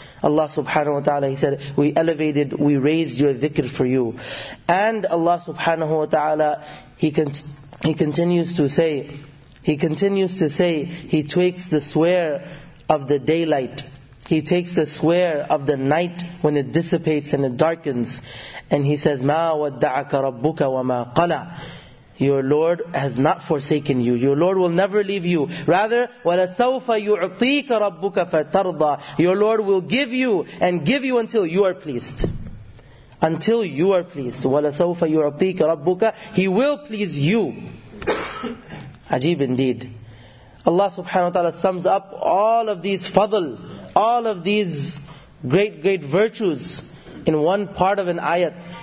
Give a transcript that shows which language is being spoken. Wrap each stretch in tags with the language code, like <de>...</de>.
<en>Allah subhanahu wa ta'ala, he said, we raised your dhikr for you. And Allah subhanahu wa ta'ala, he continues to say, he takes the swear of the daylight. He takes the swear of the night when it dissipates and it darkens. And he says,</en> <ar>مَا وَدَّعَكَ رَبُّكَ وَمَا قَلَى.</ar> <en>Your Lord has not forsaken you. Your Lord will never leave you. Rather,</en> <ar>وَلَسَوْفَ يُعْطِيكَ رَبُّكَ فَتَرْضَى.</ar> <en>Your Lord will give you until you are pleased. Until you are pleased.</en> <ar>وَلَسَوْفَ يُعْطِيكَ رَبُّكَ.</ar> <en>He will please you. Ajib indeed. Allah subhanahu wa ta'ala sums up all of these fadl, all of these great virtues in one part of an ayat.</en>